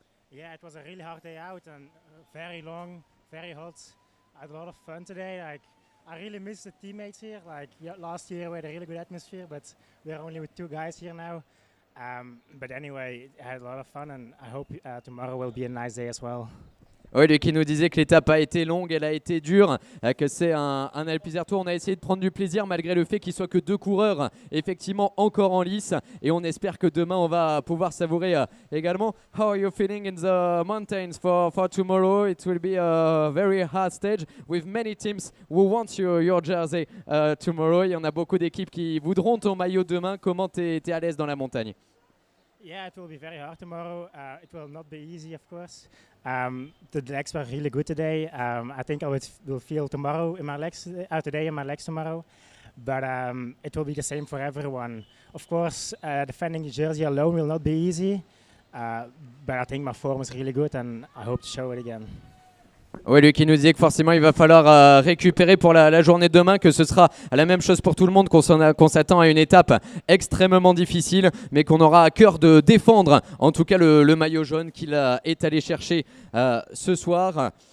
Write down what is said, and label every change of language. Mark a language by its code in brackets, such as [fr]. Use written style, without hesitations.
[en] Yeah, it was a really hard day out and very long, very hot. I had a lot of fun today, like, I really miss the teammates here, like, last year we had a really good atmosphere, but we're only with 2 guys here now. But anyway, I had a lot of fun and I hope tomorrow will be a nice day as well. [fr] Oui, lui qui nous disait que l'étape a été longue, elle a été dure, que c'est un Alpizer Tour. On a essayé de prendre du plaisir malgré le fait qu'il soit que 2 coureurs, effectivement, encore en lice. Et on espère que demain, on va pouvoir savourer également. [en] How are you feeling in the mountains for tomorrow? It will be a very hard stage with many teams who want your jersey tomorrow. [fr] Il y en a beaucoup d'équipes qui voudront ton maillot demain. Comment t'es à l'aise dans la montagne? [en] Yeah, it will be very hard tomorrow. It will not be easy, of course. The legs were really good today. I think I will feel tomorrow in my legs, today in my legs tomorrow. But it will be the same for everyone. Of course, defending the jersey alone will not be easy. But I think my form is really good and I hope to show it again. [fr] Oui, lui qui nous disait que forcément il va falloir récupérer pour la journée de demain, que ce sera la même chose pour tout le monde, qu'on s'attend à une étape extrêmement difficile, mais qu'on aura à cœur de défendre en tout cas le maillot jaune qu'il est allé chercher ce soir.